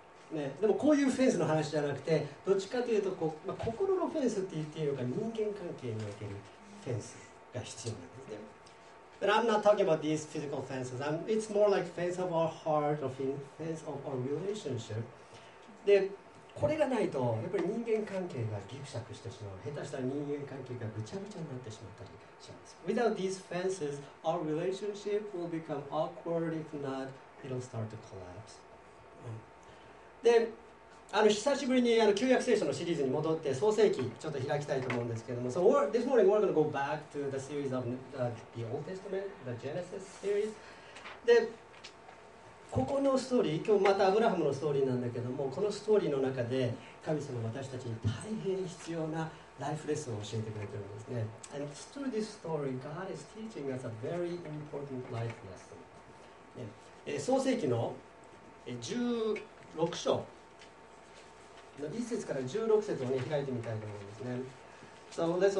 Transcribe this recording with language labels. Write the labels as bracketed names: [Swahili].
[Japanese] ね、でもこういうフェンスの話じゃなくて、どっちかというとこう、まあ、心のフェンスって言っていいのか、人間関係におけるフェンスが必要なんですね。 [English] But I'm not talking about these physical fences. It's more like fence of our heart or fence of our relationship. [Japanese] で、これがないとやっぱり人間関係がギクシャクしてしまう。下手したら人間関係がぐちゃぐちゃになってしまったりします。 [English] Without these fences, our relationship will become awkward. If not, it'll start to collapse. [Japanese] で、あの久しぶりにあの旧約聖書のシリーズに戻って創世記ちょっと開きたいと思うんですけども、 [English] So this morning we're going to go back to the series of the Old Testament, the Genesis series. [Japanese] で、ここのストーリー、今日またアブラハムのストーリーなんだけども、このストーリーの中で神様は私たちに大変必要なライフレッスンを教えてくれてるんですね。 [English] And through this story, God is teaching us a very important life lesson. [Japanese] で、創世記の16章の1節から16節を、ね、開いてみたいと思いますね。